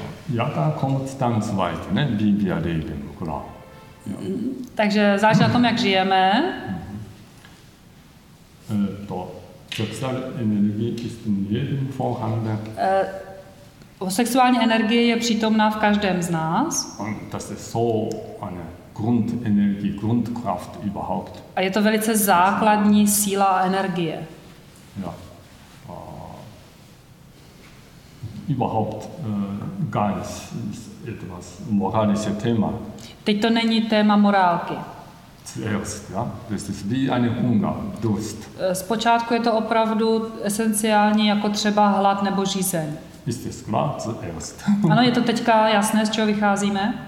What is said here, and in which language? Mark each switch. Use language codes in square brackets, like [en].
[de] Ja, da kommt dann zu weit, ne? Wie wir leben, klar. Ja. [cs] Takže záleží na tom, jak žijeme. To sexuální [de] energie ist in jedem vorhanden. [cs] Sexuální energie je přítomná v každém z nás. [de] Und das ist so eine Grundenergie, Grundkraft überhaupt. [cs] A je to velice základní síla a energie. [de] Ja. Überhaupt gar nicht ist etwas moralisches Thema. [cs] Teď to není téma morálky. [de] Zuerst, ja? Das ist wie eine Hunger, Durst. [cs] Zpočátku je to opravdu esenciální jako třeba hlad nebo žízeň. [de] Ist es klar? Zuerst. [cs] Ano, je to teďka jasné, z čeho vycházíme?